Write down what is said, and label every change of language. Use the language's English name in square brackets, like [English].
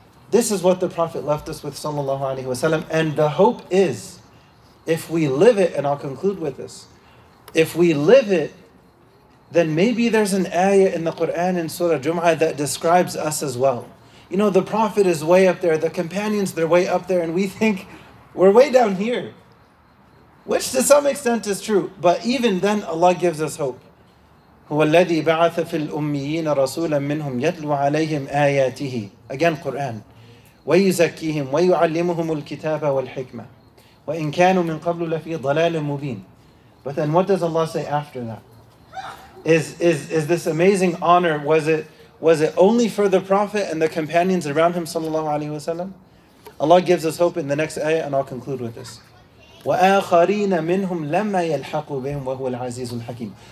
[English] This is what the Prophet left us with, sallallahu alaihi wasallam. And the hope is, if we live it, and I'll conclude with this, if we live it, then maybe there's an ayah in the Quran in Surah Jum'ah that describes us as well. You know, the Prophet is way up there, the companions, they're way up there, and we think we're way down here. Which to some extent is true, but even then Allah gives us hope. [Arabic] هو الذي بعث في الأميين رسولا منهم يتلو عليهم آياته. [English] Again, Quran. [Arabic] ويزكيهم ويعلمهم الكتاب والحكمة وإن كانوا من قبل لفي ضلال مبين. [English] But then what does Allah say after that? Is this amazing honor, was it only for the Prophet and the companions around him, sallallahu alaihi wasallam? Allah gives us hope in the next ayah, and I'll conclude with this. [Arabic] وَآخَرِينَ مِنْهُمْ لَمَّا يَلْحَقُوا بِهِمْ وَهُوَ الْعَزِيزُ الْحَكِيمُ.